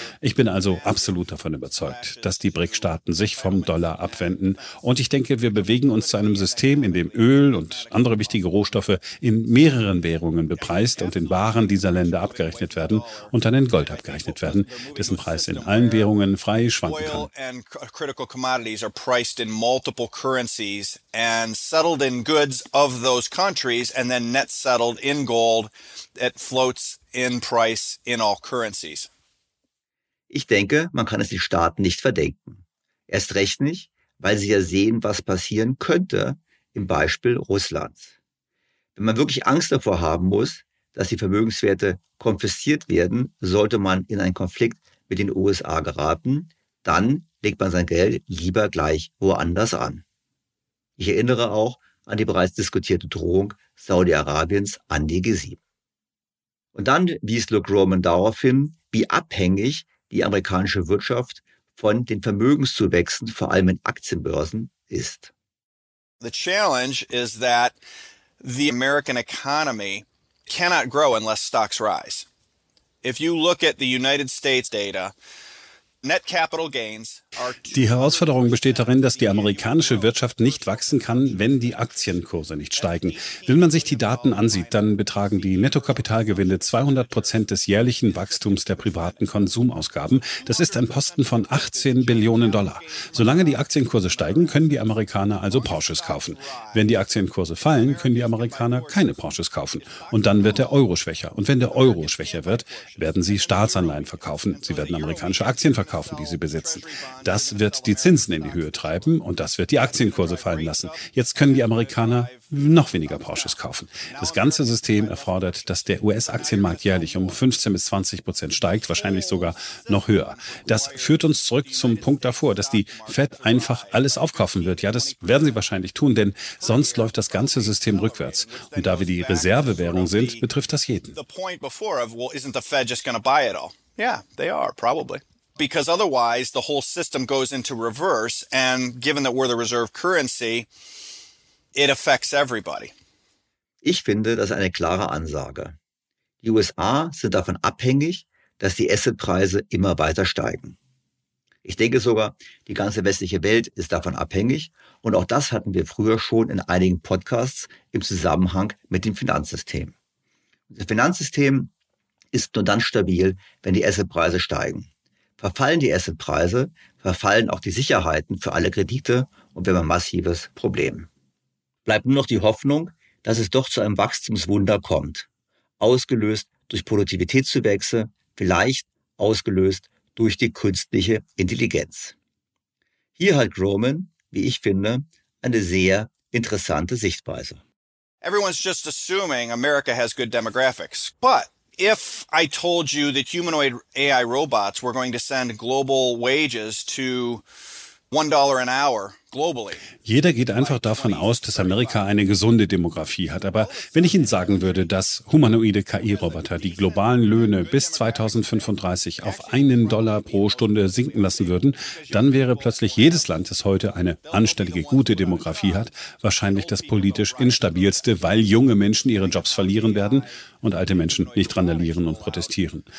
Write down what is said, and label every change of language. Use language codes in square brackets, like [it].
[de] Ich bin also absolut davon überzeugt, dass die BRIC-Staaten sich vom Dollar abwenden. Und ich denke, wir bewegen uns zu einem System, in dem Öl und andere wichtige Rohstoffe in mehreren Währungen bepreist und in Waren dieser Länder abgerechnet werden und dann in Gold abgerechnet werden, dessen Preis in allen Währungen frei schwanken kann. [en] And critical commodities are priced in multiple currencies and settled in goods of those countries and then net settled in gold that floats in price in all currencies. [de] Ich denke, man kann es den Staaten nicht verdenken. Erst recht nicht, weil sie ja sehen, was passieren könnte im Beispiel Russlands. Wenn man wirklich Angst davor haben muss, dass die Vermögenswerte konfisziert werden, sollte man in einen Konflikt mit den USA geraten, dann legt man sein Geld lieber gleich woanders an. Ich erinnere auch an die bereits diskutierte Drohung Saudi-Arabiens an die G7. Und dann wies Luke Roman darauf hin, wie abhängig die amerikanische Wirtschaft von den Vermögenszuwächsen, vor allem in Aktienbörsen, ist. [en] The challenge is that the American economy cannot grow unless stocks rise. If you look at the United States data, net capital gains are. [de] Die Herausforderung besteht darin, dass die amerikanische Wirtschaft nicht wachsen kann, wenn die Aktienkurse nicht steigen. Wenn man sich die Daten ansieht, dann betragen die Nettokapitalgewinne 200% des jährlichen Wachstums der privaten Konsumausgaben. Das ist ein Posten von 18 Billionen Dollar. Solange die Aktienkurse steigen, können die Amerikaner also Porsches kaufen. Wenn die Aktienkurse fallen, können die Amerikaner keine Porsches kaufen. Und dann wird der Euro schwächer. Und wenn der Euro schwächer wird, werden sie Staatsanleihen verkaufen. Sie werden amerikanische Aktien verkaufen, die sie besitzen. Das wird die Zinsen in die Höhe treiben und das wird die Aktienkurse fallen lassen. Jetzt können die Amerikaner noch weniger Porsches kaufen. Das ganze System erfordert, dass der US-Aktienmarkt jährlich um 15-20% steigt, wahrscheinlich sogar noch höher. Das führt uns zurück zum Punkt davor, dass die Fed einfach alles aufkaufen wird. Ja, das werden sie wahrscheinlich tun, denn sonst läuft das ganze System rückwärts. Und da wir die Reservewährung sind, betrifft das jeden. [en] The point before of, well, isn't the Fed just gonna buy it all? Yeah, they are, probably. Because otherwise the whole system goes into reverse, and given that we're the reserve currency, it affects everybody. [de] Ich finde, das ist eine klare Ansage. Die USA sind davon abhängig, dass die Assetpreise immer weiter steigen. Ich denke sogar, die ganze westliche Welt ist davon abhängig, und auch das hatten wir früher schon in einigen Podcasts im Zusammenhang mit dem Finanzsystem. Das Finanzsystem ist nur dann stabil, wenn die Assetpreise steigen. Verfallen die Assetpreise, verfallen auch die Sicherheiten für alle Kredite und wir haben ein massives Problem. Bleibt nur noch die Hoffnung, dass es doch zu einem Wachstumswunder kommt. Ausgelöst durch Produktivitätszuwächse, vielleicht ausgelöst durch die künstliche Intelligenz. Hier hat Groman, wie ich finde, eine sehr interessante Sichtweise. [en] Everyone's just assuming America has good demographics, but if I told you that humanoid AI robots were going to send global wages to $1 an hour globally. [de] Jeder geht einfach davon aus, dass Amerika eine gesunde Demografie hat. Aber wenn ich Ihnen sagen würde, dass humanoide KI-Roboter die globalen Löhne bis 2035 auf $1 pro Stunde sinken lassen würden, dann wäre plötzlich jedes Land, das heute eine anständige, gute Demografie hat, wahrscheinlich das politisch instabilste, weil junge Menschen ihre Jobs verlieren werden und alte Menschen nicht randalieren und protestieren.